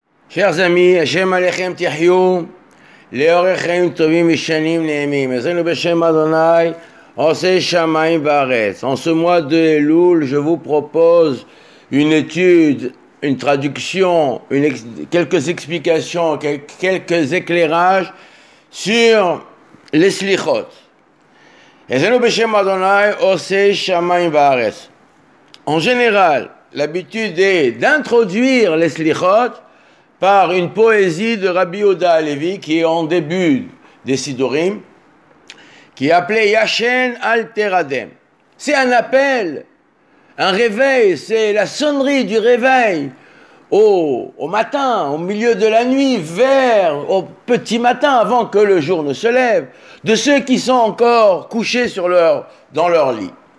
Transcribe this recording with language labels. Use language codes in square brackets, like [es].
[he] שיחז עמי, השם עליכם תחיו לאורך חיים טובים ושנים נעימים. עזרנו בשם אדוני עושה שמיים וארץ. [fr] En ce mois de Elul, je vous propose une étude, une traduction, quelques explications, quelques éclairages sur les slichot. [he] עזרנו בשם אדוני עושה שמיים וארץ. [fr] En général, l'habitude est d'introduire les slichot par une poésie de Rabbi Yehuda Halevi qui est en début des Sidourim, qui est appelée Yashen Al Teradem. C'est un appel, un réveil, c'est la sonnerie du réveil au matin, au milieu de la nuit, vers au petit matin, avant que le jour ne se lève, de ceux qui sont encore couchés dans leur lit.